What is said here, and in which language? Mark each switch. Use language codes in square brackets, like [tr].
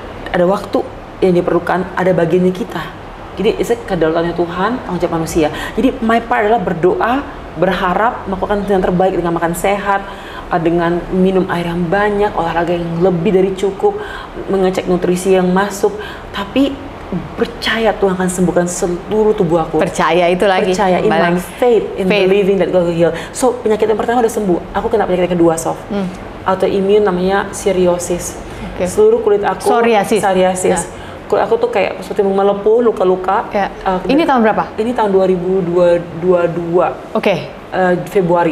[id] Ada waktu yang diperlukan, ada bagiannya kita. Jadi itu kedaulatannya Tuhan, tanggung jawab manusia. Jadi [en] my part [id] adalah berdoa, berharap, melakukan yang terbaik dengan makan sehat, dengan minum air yang banyak, olahraga yang lebih dari cukup, mengecek nutrisi yang masuk. Tapi percaya Tuhan akan sembuhkan seluruh tubuh aku. Percaya itu lagi. [en] Percaya in my faith, in believing that God will heal. [id] So penyakit yang pertama udah sembuh. Aku kena penyakit yang kedua, Sof. Autoimmune namanya psoriasis. Okay. Seluruh kulit aku. Psoriasis. Yeah. Kulit aku tuh kayak seperti melepuh, luka-luka. Yeah. Ini tahun berapa? Ini tahun 2022. Oke. Okay. Februari.